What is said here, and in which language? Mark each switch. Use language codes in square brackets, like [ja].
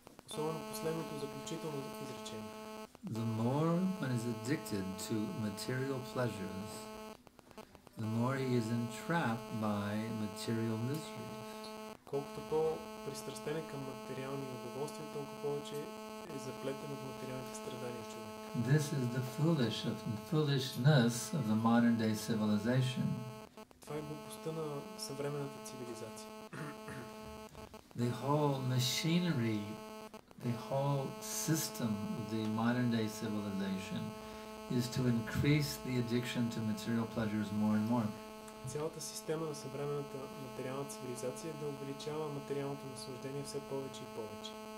[bg] Особено последното заключително изречение. [en] The more one is addicted to material pleasures, the more he is entrapped by material miseries. [bg] Колкото по-пристрастен е към материални удоволствия, толкова повече е заплетен от материалните страдания човек. [en] This is the foolishness of the modern day civilization. [bg] Това е глупостта на съвременната цивилизация. [en] The whole machinery, the whole system of the modern day civilization is to increase the addiction to material pleasures more and more. [bg] Цялата система на съвременната материална цивилизация да увеличава материалното наслаждение все повече и повече.